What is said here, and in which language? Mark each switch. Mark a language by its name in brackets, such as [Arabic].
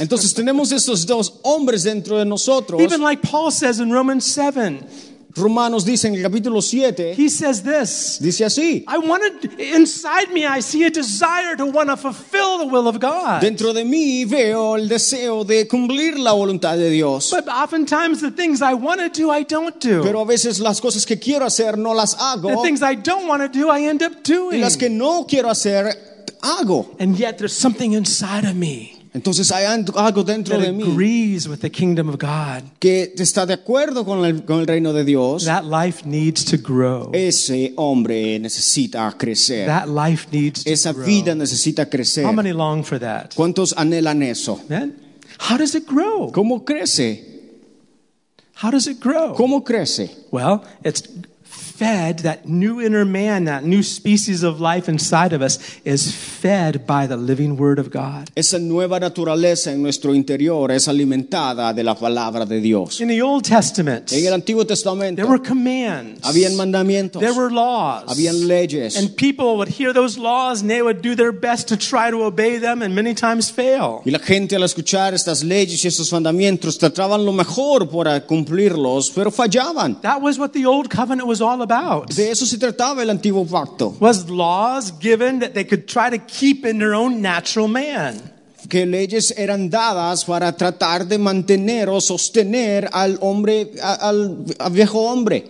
[Spanish] Entonces tenemos estos dos hombres dentro de nosotros. [English] Even like Paul says in Romans 7. [Spanish] Romanos dice en el capítulo 7. [English] He says this. [Spanish] Dice así. [English] I wanted inside me I see a desire to want to fulfill the will of God. [Spanish] Dentro de mí veo el deseo de cumplir la voluntad de Dios. [English] But oftentimes the things I want to do I don't do. [Spanish] Pero a veces las cosas que quiero hacer no las hago. [English] The things I don't want to do I end up doing. [Spanish] Y las que no quiero hacer hago. [English] And yet there's something inside of me. [Spanish] Entonces hay algo dentro de mí [English] that agrees with the kingdom of God. [Spanish] Que está de acuerdo con el reino de Dios. [English] That life needs to grow. [Spanish] Ese hombre necesita crecer. [English] That life needs to [Spanish] Esa vida necesita crecer. [English] How many long for that? [Spanish] ¿Cuántos anhelan eso? [English] Man, how does it grow? [Spanish] ¿Cómo crece? [English] How does it grow? [Spanish] ¿Cómo crece? [English] Well, it's fed, that new inner man, that new species of life inside of us is fed by the living word of God. [Spanish] Esa nueva naturaleza en nuestro interior es alimentada de la palabra de Dios. [English] In the Old Testament, [Spanish] en el Antiguo Testamento, [English] there were commands. [Spanish] Habían mandamientos. [English] There were laws. [Spanish] Habían leyes. [English] And people would hear those laws and they would do their best to try to obey them and many times fail. [Spanish] Y la gente al escuchar estas leyes y estos mandamientos trataban lo mejor para cumplirlos, pero fallaban. [English] That was what the Old Covenant was all about. [Spanish] De eso se trataba el antiguo pacto. [English] Was laws given that they could try to keep in their own natural man? [Spanish] Que leyes eran dadas para tratar de mantener o sostener al hombre, al viejo hombre.